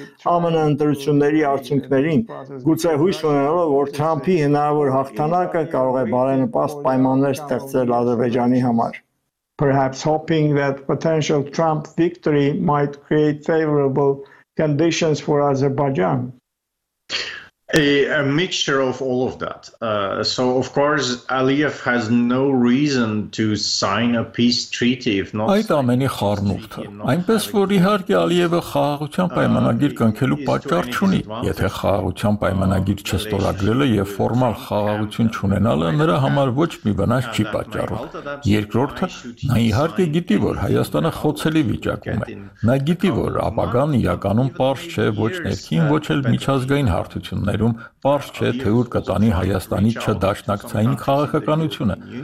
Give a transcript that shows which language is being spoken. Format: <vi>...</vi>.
<hy>ԱՄՆ ընտրությունների արդյունքներին, գուցե հույս ունենալով, որ Թրամփի հնարավոր հաղթանակը կարող է բարենպաստ պայմաններ ստեղծել Ադրբեջանի համար։</hy> <en>Perhaps hoping that potential Trump victory might create favorable conditions for Azerbaijan. A mixture of all of that. So of course Aliyev has no reason to sign a peace treaty if not.</en> <hy>Այդ ամենի խառնուրդը, այնպես որ իհարկե Ալիևը խաղաղության պայմանագիր կնքելու պատճառ չունի, եթե խաղաղության պայմանագիր չստորագրելը եւ ֆորմալ խաղաղություն չունենալը նրա համար ոչ մի վնաս չի պատճառում։ Երկրորդը, նա իհարկե գիտի, որ Հայաստանը խոցելի վիճակում է։ Նա գիտի, որ ապագան իրականում պարզ չէ, ոչ ներքին, ոչ էլ միջազգային հարթություն ներում պարզ չէ, թե ուր կտանի Հայաստանի չդաշնակցային քաղաքականությունը։</hy>